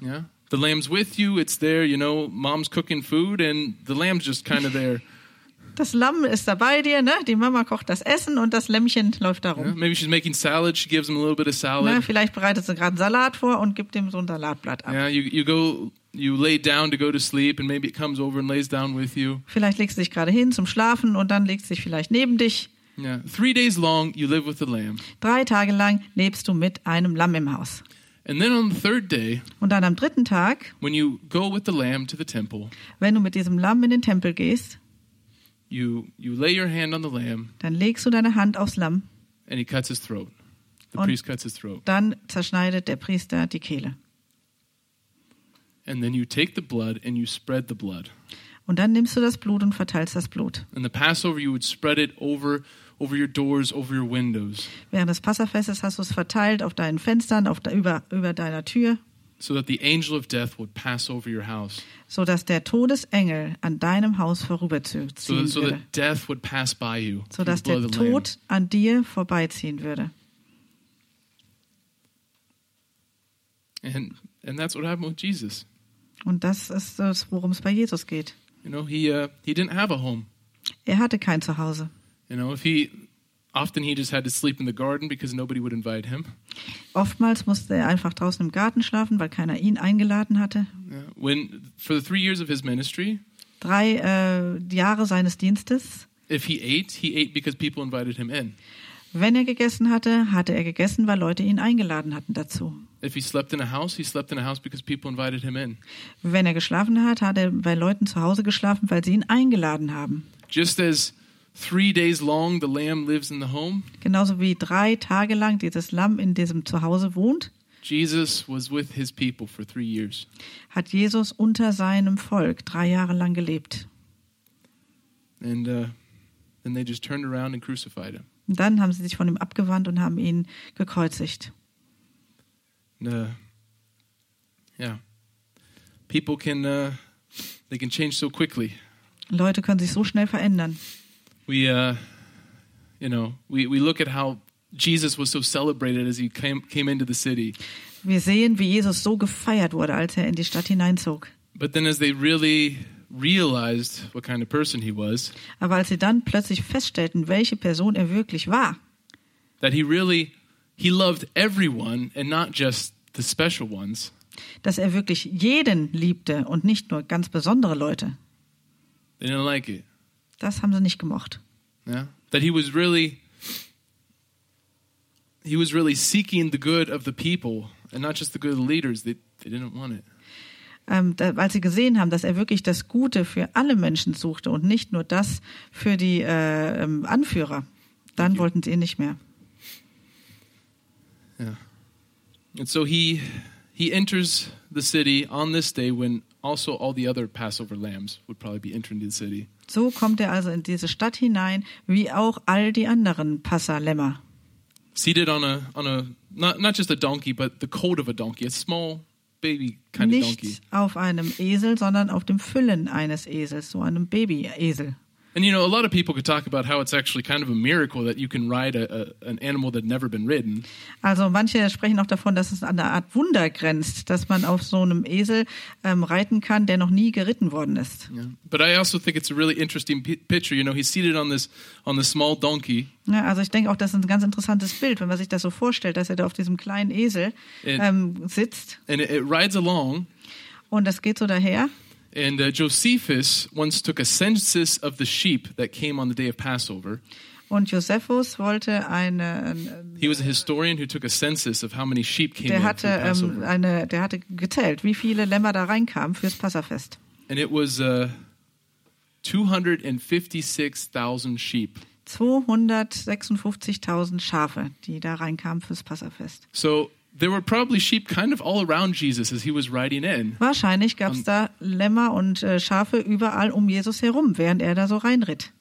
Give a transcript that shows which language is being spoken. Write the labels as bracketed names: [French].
[English] Yeah. The lamb's with you, it's there, you know, mom's cooking food and the lamb's just kind of there. [German] Das Lamm ist dabei dir, ne? Die Mama kocht das Essen und das Lämmchen läuft da rum. [English] Yeah, maybe she's making salad, she gives him a little bit of salad. [German] Na, vielleicht bereitet sie gerade Salat vor und gibt ihm so ein Salatblatt ab. [English] Yeah, you lay down to go to sleep and maybe it comes over and lays down with you. [German] Vielleicht legst du dich gerade hin zum Schlafen und dann legst du dich vielleicht neben dich. [English] Yeah, 3 days long you live with the lamb. [German] 3 Tage lang lebst du mit einem Lamm im Haus. [English] And then on the third day, [German] und dann am dritten Tag, [English] when you go with the lamb to the temple, [German] wenn du mit diesem Lamm in den Tempel gehst, [English] you lay your hand on the lamb, [German] dann legst du deine Hand aufs Lamm, [English] and he cuts his throat. The priest cuts his throat. [German] Dann zerschneidet der Priester die Kehle. [English] And then you take the blood and you spread the blood. [German] Und dann nimmst du das Blut und verteilst das Blut. [English] And the Passover, you would spread it over your doors, over your windows. [German] Während des Passafestes hast du es verteilt auf deinen Fenstern, über deiner Tür. [English] So that the angel of death would pass over your house. [German] So dass der Todesengel an deinem Haus vorüberziehen würde. [English] So that death would pass by you. [German] So dass der Tod an dir vorbeiziehen würde. [English] And that's what happened with Jesus. [German] Und das ist das, worum es bei Jesus geht. [English] You know, he didn't have a home. [German] Er hatte kein Zuhause. [English] You know, often he just had to sleep in the garden because nobody would invite him. [German] Oftmals musste er einfach draußen im Garten schlafen, weil keiner ihn eingeladen hatte. [English] Yeah. When for the 3 years of his ministry. [German] 3 Jahre seines Dienstes. [English] If he ate because people invited him in. [German] Wenn er gegessen hatte, hatte er gegessen, weil Leute ihn eingeladen hatten dazu. [English] If he slept in a house, he slept in a house because people invited him in. [German] Wenn er geschlafen hat, hat er bei Leuten zu Hause geschlafen, weil sie ihn eingeladen haben. [English] Just as 3 days long the lamb lives in the home. [German] Genauso wie 3 Tage lang dieses Lamm in diesem Zuhause wohnt. [English] Jesus was with his people for 3 years. [German] Hat Jesus unter seinem Volk 3 Jahre lang gelebt. [English] And then they just turned around and crucified him. [German] Und dann haben sie sich von ihm abgewandt und haben ihn gekreuzigt. [English] People can they can change so quickly. [German] Leute können sich so schnell verändern. [English] We look at how Jesus was so celebrated as he came into the city. [German] Wir sehen, wie Jesus so gefeiert wurde, als er in die Stadt hineinzog. [English] But then as they really realized what kind of person he was. [German] Aber als sie dann plötzlich feststellten, welche Person er wirklich war. [English] That he loved everyone and not just the special ones. [German] Dass er wirklich jeden liebte und nicht nur ganz besondere Leute. [English] They didn't like it. [German] Das haben sie nicht gemocht. [English] Yeah. That he was really seeking the good of the people and not just the good of the leaders. They didn't want it. [German] Als sie gesehen haben, dass er wirklich das Gute für alle Menschen suchte und nicht nur das für die Anführer, dann wollten sie ihn nicht mehr. [English] Yeah. And so he enters the city on this day when also all the other Passover lambs would probably be entering the city. [German] So kommt er also in diese Stadt hinein, wie auch all die anderen Passalämmer. [English] Seated on a not just a donkey, but the coat of a donkey, a small baby kind [German] nicht [English] of donkey. [German] Nicht auf einem Esel, sondern auf dem Füllen eines Esels, so einem Baby-Esel. [English] And you know, a lot of people could talk about how it's actually kind of a miracle that you can ride an animal that never been ridden. [German] Also manche sprechen auch davon, dass es an der Art Wunder grenzt, dass man auf so einem Esel reiten kann, der noch nie geritten worden ist. [English] Yeah. But I also think it's a really interesting picture. You know, he's seated on this small donkey. [German] Ja, also ich denke auch, das ist ein ganz interessantes Bild, wenn man sich das so vorstellt, dass er da auf diesem kleinen Esel sitzt. [English] And it rides along. [German] Und das geht so daher. [English] And Josephus once took a census of the sheep that came on the day of Passover. [German] Und Josephus wollte eine. [English] He was a historian who took a census of how many sheep came in for Passover. [German] Der hatte gezählt, wie viele Lämmer da reinkamen fürs Passafest. [English] And it was 256,000 sheep. [German] 256,000 Schafe, die da reinkamen fürs Passafest. [English] So. There were probably sheep kind of all around Jesus as he was riding in. [German] Wahrscheinlich gab's da Lämmer und Schafe überall um Jesus herum, während er da so reinritt.